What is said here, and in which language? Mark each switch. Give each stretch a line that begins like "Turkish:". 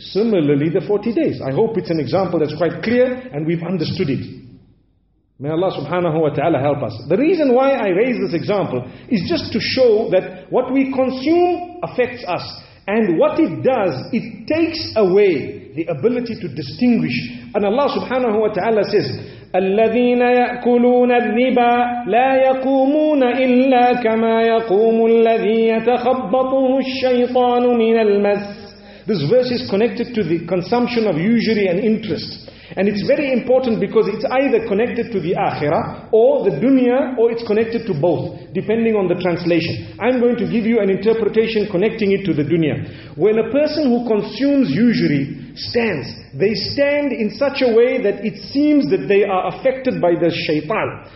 English: Similarly, the 40 days. I hope it's an example that's quite clear and we've understood it. May Allah subhanahu wa ta'ala help us. The reason why I raise this example is just to show that what we consume affects us. And what it does, it takes away the ability to distinguish. And Allah subhanahu wa ta'ala says,
Arabic: الَّذِينَ يَأْكُلُونَ الرِّبَا لَا يَقُومُونَ إِلَّا كَمَا يَقُومُ الَّذِي يَتَخَبَّطُهُ الشَّيْطَانُ مِنَ الْمَسِ.
English: This verse is connected to the consumption of usury and interest. And it's very important because it's either connected to the akhirah or the dunya, or it's connected to both, depending on the translation. I'm going to give you an interpretation connecting it to the dunya. When a person who consumes usury stands, they stand in such a way that it seems that they are affected by the shaitan.